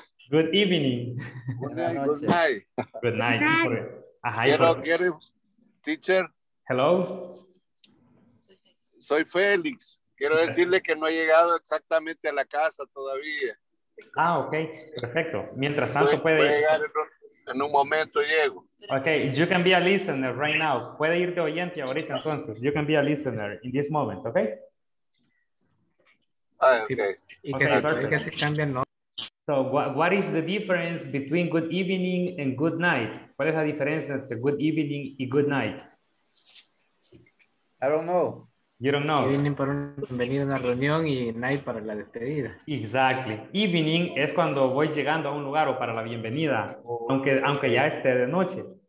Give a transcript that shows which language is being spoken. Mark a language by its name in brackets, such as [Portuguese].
[English] Good evening. Good night. Good night. [Spanish] Ajá. Quiero, quiero. Teacher. [English] Hello. [Spanish] Soy Félix. Quiero decirle que no he llegado exactamente a la casa todavía. Ah, ok. Perfecto. Mientras tanto puede ir. Llegar en un momento llego. [English] Ok, you can be a listener right now. [Spanish] Puede ir de oyente ahorita entonces. [English] You can be a listener in this moment, ok? Ah, okay. Okay. Okay. So what is the difference between good evening and good night? [Spanish] ¿Cuál es la diferencia entre good evening y good night? [English] I don't know. You don't know. [Spanish] Evening para venir a una reunión y night para la despedida. [English] Exactly. [Spanish] Evening es cuando voy llegando a un lugar o para la bienvenida, oh, aunque ya esté de noche.